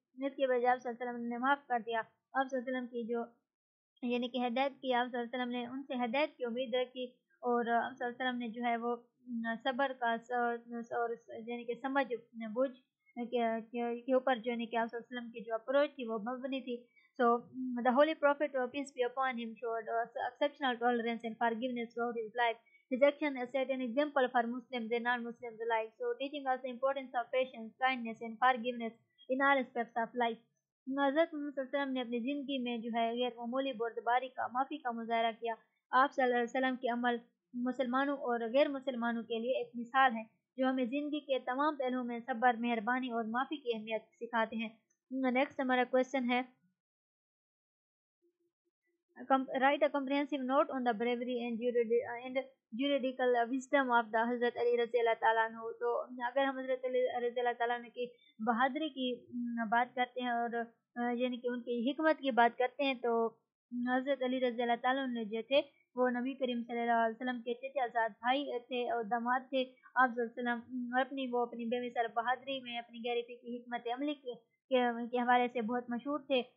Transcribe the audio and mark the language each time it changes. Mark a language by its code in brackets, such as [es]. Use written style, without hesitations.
[ur] اس کے بجائے آپ صلی اللہ علیہ وسلم نے معاف کر دیا. آپ صلی اللہ علیہ وسلم کی جو یعنی کہ ہدایت کی, آپ صلی اللہ علیہ وسلم نے ان سے ہدایت کی امید رکھی, اور آپ صلی اللہ علیہ وسلم نے جو ہے وہ صبر کا اور یعنی کہ سمجھ بوجھ کے اوپر جو یعنی کہ آپ صلی اللہ علیہ وسلم کی جو اپروچ تھی وہ مبنی تھی. [en] So the Holy Prophet peace be upon him showed exceptional tolerance and forgiveness throughout his life. His action has set an example for Muslims and non-Muslims alike, so teaching us the importance of patience, kindness and forgiveness in all aspects of life. [ur] حضرت محمد صلی اللہ علیہ وسلم نے اپنی زندگی میں جو ہے غیر معمولی بردباری کا, معافی کا مظاہرہ کیا. آپ صلی اللہ علیہ وسلم کے عمل مسلمانوں اور غیر مسلمانوں کے لیے ایک مثال ہے جو ہمیں زندگی کے تمام پہلوؤں میں صبر, مہربانی اور معافی کی اہمیت سکھاتے ہیں. نیکسٹ ہمارا کوشچن ہے, [en] write a comprehensive note on the bravery and juridical wisdom of the Hazrat Ali رضی اللہ تعالیٰ عنہ. [ur] تو اگر ہم حضرت علی رضی اللہ تعالیٰ عنہ کی بہادری کی بات کرتے ہیں اور یعنی کہ ان کی حکمت کی بات کرتے ہیں, تو حضرت علی رضی اللہ تعالیٰ عنہ جو تھے وہ نبی کریم صلی اللہ علیہ وسلم کہتے تھے آزاد بھائی تھے اور داماد تھے آپ صلی اللہ علیہ وسلم اپنی وہ اپنی بے مثال بہادری میں اپنی غیر فقہی حکمت عملی کے حوالے سے بہت مشہور تھے.